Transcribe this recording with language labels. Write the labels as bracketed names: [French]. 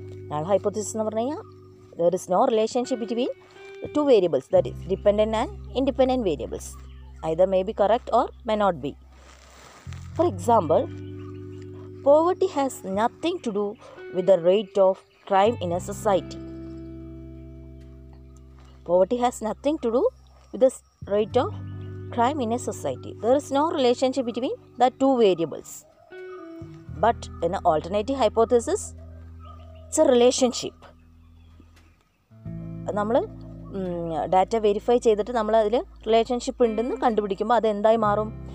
[English] null hypothesis [Malayalam] എന്ന് പറഞ്ഞു കഴിഞ്ഞാൽ [English] There is no relationship between two variables, that is dependent and independent variables. Either may be correct or may not be. For example, poverty has nothing to do with the rate of crime in a society. Poverty has nothing to do with the rate of crime in a society. There is no relationship between the two variables. But in an alternative hypothesis, it's a relationship. [Malayalam] നമ്മൾ data verify ചെയ്തിട്ട് നമ്മൾ അതിൽ relationship ഉണ്ടെന്ന് കണ്ടുപിടിക്കുമ്പോൾ അത് എന്തായി മാറും?